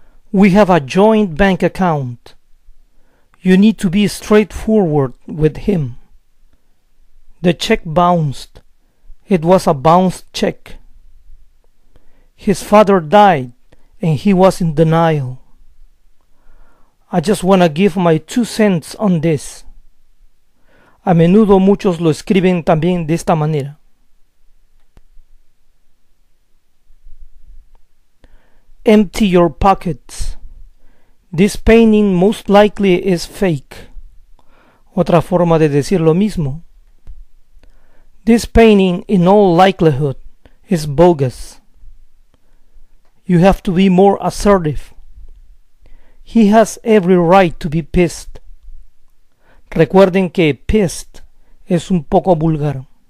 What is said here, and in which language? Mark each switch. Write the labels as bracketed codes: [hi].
[en] We have a joint bank account. You need to be straightforward with him. The check bounced. It was a bounced check. His father died and he was in denial. I just wanna give my 2 cents on this. [es] A menudo muchos lo escriben también de esta manera. [en] Empty your pockets. This painting most likely is fake. [es] Otra forma de decir lo mismo. [en] This painting, in all likelihood, is bogus. You have to be more assertive. He has every right to be pissed. [es] Recuerden que pissed es un poco vulgar.